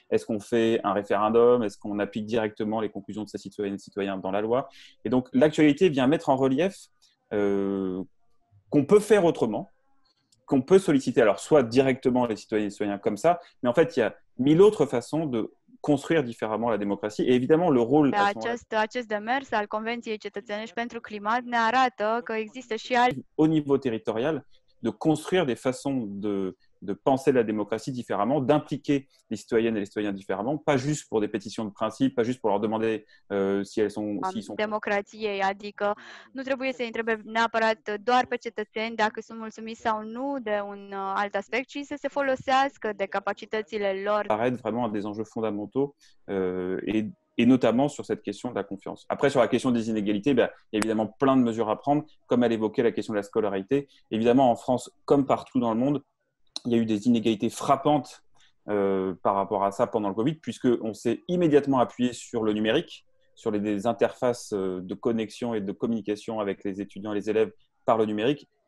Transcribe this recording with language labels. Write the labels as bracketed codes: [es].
[fr] Est-ce qu'on fait un référendum? Est-ce qu'on applique directement les conclusions de ces citoyennes et citoyens dans la loi? Et donc, l'actualité vient mettre en relief qu'on peut faire autrement, qu'on peut solliciter, alors soit directement les citoyennes et citoyens comme ça, mais en fait, il y a mille autres façons de construire différemment la démocratie. Et évidemment, le rôle... [ro] Acest demers al Convenției Cetățenești pentru Climat ne arată că există și al... [fr] au niveau territorial, de construire des façons de penser la démocratie différemment, d'impliquer les citoyennes et les citoyens différemment, pas juste pour des pétitions de principe, pas juste pour leur demander si elles sont... Si sont... [ro] Democrație, adică nu trebuie să-i întrebe neapărat doar pe cetățeni dacă sunt mulțumiți sau nu de un alt aspect, ci să se folosească de capacitățile lor. [fr] Ça arrête vraiment à des enjeux fondamentaux et notamment sur cette question de la confiance. Après, sur la question des inégalités, ben, il y a évidemment plein de mesures à prendre, comme elle évoquait la question de la scolarité. Évidemment, en France, comme partout dans le monde, il y a eu des inégalités frappantes par rapport à ça pendant le Covid, puisqu'on s'est immédiatement appuyé sur le numérique, sur les interfaces de connexion et de communication avec les étudiants et les élèves par le numérique.